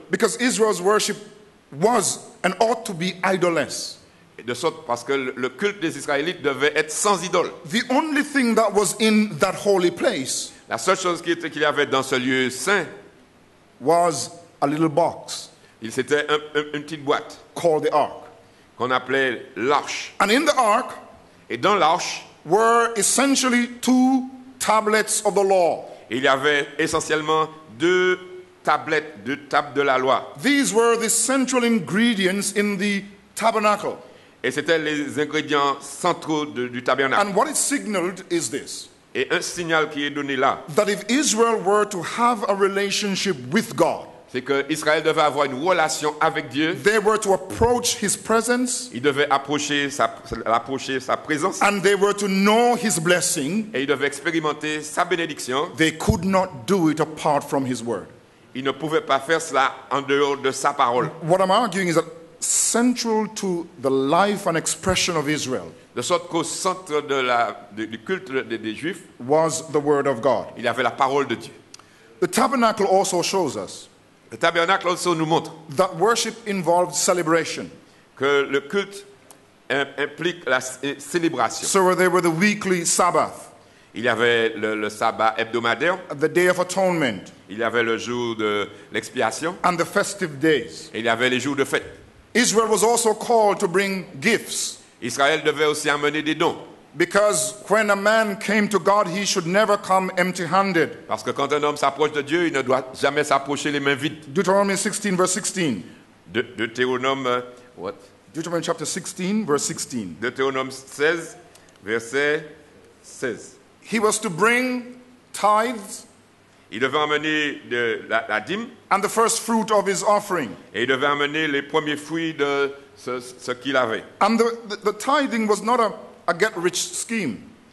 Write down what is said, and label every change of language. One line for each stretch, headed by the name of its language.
English: Because Israel's worship was and ought to be idolless.
French: De sorte parce que le culte des Israélites devait être sans idole.
English: The only thing that was in that holy place,
French: la seule chose qu'il y avait dans ce lieu saint,
English: was a little box.
French: Il c'était une petite boîte,
English: called the ark,
French: qu'on appelait l'arche.
English: And in the ark,
French: et dans l'arche.
English: Were essentially two tablets of the law.
French: Il y avait essentiellement deux tables de la loi.
English: These were the central ingredients in the tabernacle.
French: Et c'était les ingrédients centraux du tabernacle.
English: And what it signaled is this.
French: Et un signal qui est donné là.
English: That if Israel were to have a relationship with God.
French: C'est que Israël devait avoir une relation avec Dieu.
English: They were to approach his presence.
French: Ils devaient approcher sa présence.
English: And they were to know his blessing.
French: Et ils devaient expérimenter sa bénédiction.
English: They could not do it apart from his word.
French: Ils ne pouvaient pas faire cela en dehors de sa parole.
English: What I'm arguing is that central to the life and expression of Israel.
French: De sorte qu'au centre du culte des Juifs
English: was the word of God.
French: Il y avait la parole de Dieu.
English: The tabernacle also shows us.
French: Le tabernacle aussi nous montre
English: that worship involved celebration.
French: Que le culte implique la célébration.
English: So there were the weekly Sabbath.
French: Il y avait le sabbat hebdomadaire.
English: The day of atonement.
French: Il y avait le jour de l'expiation.
English: And the festive days.
French: Et il y avait les jours de fête.
English: Israel was also called to bring gifts.
French: Israël devait aussi amener des dons.
English: Because when a man came to God, he should never come empty-handed.
French: Parce que quand un homme s'approche de Dieu, il ne doit jamais s'approcher les mains vides.
English: Deuteronomy 16, verse 16.
French: Deutéronome, what?
English: Deuteronomy chapter 16, verse 16.
French: Deutéronome 16, verset 16.
English: He was to bring tithes.
French: Il devait amener de la dîme.
English: And the first fruit of his offering.
French: Et il devait amener les premiers fruits de ce qu'il avait.
English: And the tithing was not a get-rich scheme.